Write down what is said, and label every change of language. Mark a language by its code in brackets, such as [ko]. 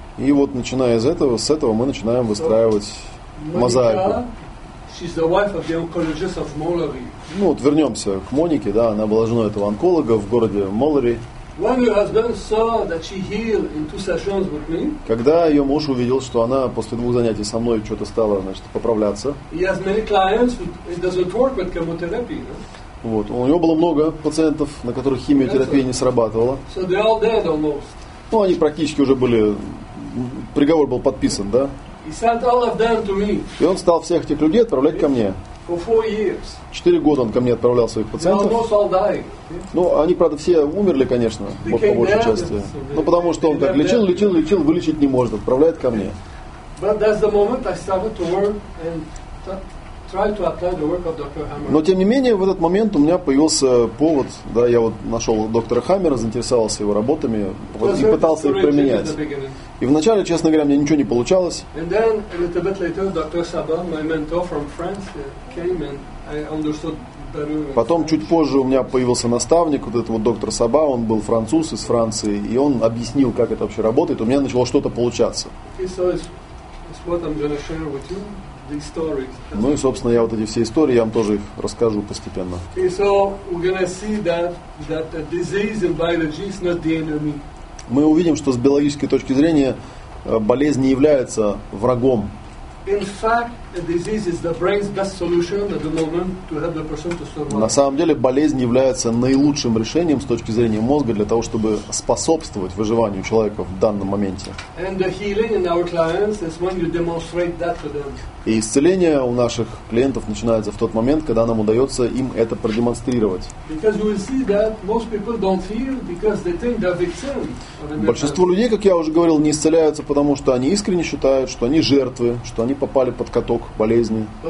[ru] И вот начиная с этого мы начинаем выстраивать мозаику. [en] She's the wife of the oncologist of Mallory. [ru] Ну вот вернемся к Монике, да, она была женой этого онколога в городе Моллери. [en] When her husband saw that she healed in 2 sessions with me. [ru] Когда ее муж увидел, что она после 2 занятий со мной что-то стала, значит, поправляться. [en] He has many clients, it doesn't work with chemotherapy. No? [ru] Вот, у нее было много пациентов, на которых химиотерапия не срабатывала. [en] So they're all dead almost. [ru] Ну, они практически уже были, приговор был подписан, да? [en] He sent all of them to me. [ru] И он стал всех этих людей отправлять ко мне. [en] For 4 years. [ru] 4 года он ко мне отправлял своих пациентов. [en] They almost all died. [ru] Ну, они, правда, все умерли, конечно, вот, по большей части. So ну, потому что он так лечил, вылечить не может, отправляет ко мне. [en] But that's the moment I started to work and try to apply the work of Dr. Hammer. [ru] Но, тем не менее, в этот момент у меня появился повод, да, я вот нашел доктора Хаммера, заинтересовался его работами и пытался их применять. И вначале, честно говоря, мне ничего не получалось. [en] And then, a little bit later, Dr. Saban, my mentor from France, came and I understood better. [ru] Потом, чуть позже, у меня появился наставник, вот этот вот доктор Саба, он был француз из Франции, и он объяснил, как это вообще работает, у меня начало что-то получаться. [en] It's what I'm going to share with you. [ru] Ну и, собственно, я вот эти все истории, я вам тоже их расскажу постепенно. Мы увидим, что с биологической точки зрения болезнь не является врагом. [en] In fact, a disease is the brain's best solution at the moment to help the person to survive. [ru] На самом деле болезнь является наилучшим решением с точки зрения мозга для того, чтобы способствовать выживанию человека в данном моменте. [en] And the healing in our clients is when you demonstrate that to them. [ru] И исцеление у наших клиентов начинается в тот момент, когда нам удается им это продемонстрировать. [en] Because you will see that most people don't heal because they think they're victims. [ru] Большинство людей, как я уже говорил, не исцеляются, потому что они искренне считают, что они жертвы, что они попали под каток болезни.